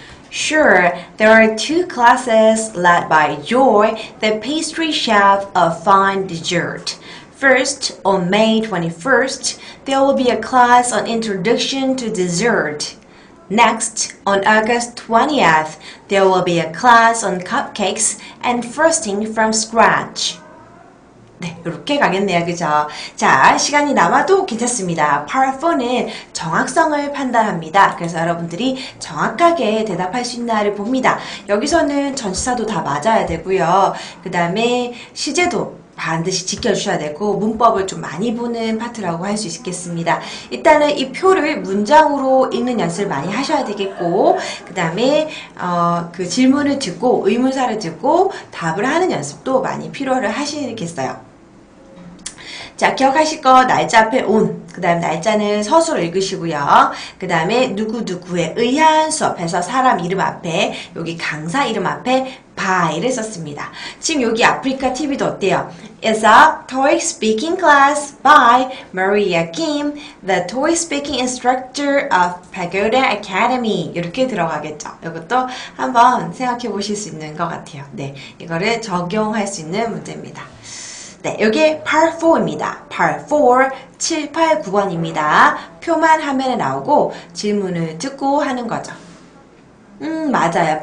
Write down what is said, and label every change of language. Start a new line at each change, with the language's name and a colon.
English: Sure, there are two classes led by Joy, the pastry chef of Fine Dessert. First, on May 21st, there will be a class on Introduction to Dessert. Next, on August 20th, there will be a class on cupcakes and frosting from scratch.
Korean: 네, 이렇게 가겠네요, 그죠? 자, 시간이 남아도 괜찮습니다. Part 4는 정확성을 판단합니다. 그래서 여러분들이 정확하게 대답할 수 있나를 봅니다. 여기서는 전치사도 다 맞아야 되고요. 그 다음에 시제도 반드시 지켜주셔야 되고 문법을 좀 많이 보는 파트라고 할 수 있겠습니다. 일단은 이 표를 문장으로 읽는 연습을 많이 하셔야 되겠고 그 다음에 그 질문을 듣고 의문사를 듣고 답을 하는 연습도 많이 필요를 하시겠어요. 자, 기억하실 거 날짜 앞에 온, 그 다음 날짜는 서술 읽으시고요. 그 다음에 누구누구에 의한 수업에서 사람 이름 앞에, 여기 강사 이름 앞에 by를 썼습니다. 지금 여기 아프리카 TV도 어때요?
English: It's a toy speaking class by Maria Kim, the toy speaking instructor of Pagoda Academy.
Korean: 이렇게 들어가겠죠. 이것도 한번 생각해 보실 수 있는 것 같아요. 네, 이거를 적용할 수 있는 문제입니다. 네, 이게 Part 4입니다. Part 4, 7, 8, 9번입니다. 표만 화면에 나오고 질문을 듣고 하는 거죠. 맞아요.